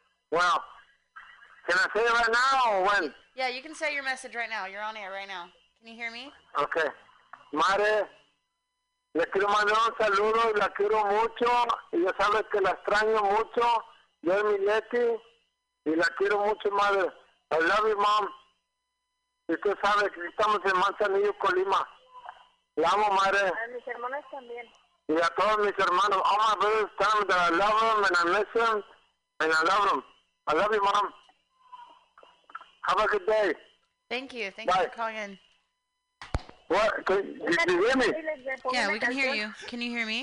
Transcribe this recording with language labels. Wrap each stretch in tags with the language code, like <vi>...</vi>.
<en>Well, can I say it right now or when? Yeah, you can say your message right now. You're on air right now. Can you hear me? Okay.</en> <es>Madre, le quiero mandar un saludo, la quiero mucho, y ya sabes que la extraño mucho, yo y mi Leti, y la quiero mucho, madre.</es> <en>I love you, mom.</en> <es>Y tú sabes que estamos en Manzanillo, Colima. La amo, madre. A mis hermanas también. Y a todos mis hermanos.</es> <en>All my brothers tell them that I love them, and I miss them, and I love them. I love you, mom. Have a good day. Thank you. Thank you for calling in. What? Can you hear me? Yeah, we can hear you. Can you hear me?</en>